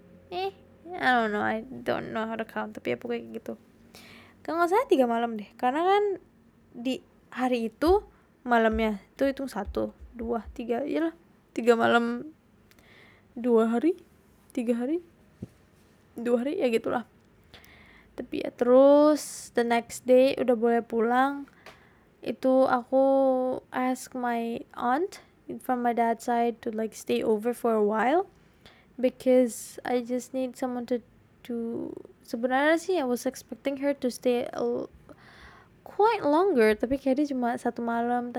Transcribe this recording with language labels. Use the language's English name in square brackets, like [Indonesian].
[English] I don't know, I don't know how to count. [Indonesian] Tapi ya pokoknya gitu. Kalau gak salah 3 malam deh. Karena kan di hari itu malamnya itu hitung 1, 2, 3, iyalah 3 malam 2 hari 3 hari 2 hari, ya gitulah. Tapi ya terus [English] the next day [Indonesian] udah boleh pulang. Itu aku [English] ask my aunt from my dad's side to like stay over for a while because I just need someone to [Indonesian] sebenarnya sih [English] I was expecting her to stay quite longer [Indonesian] tapi kayak dia cuma 1 malam.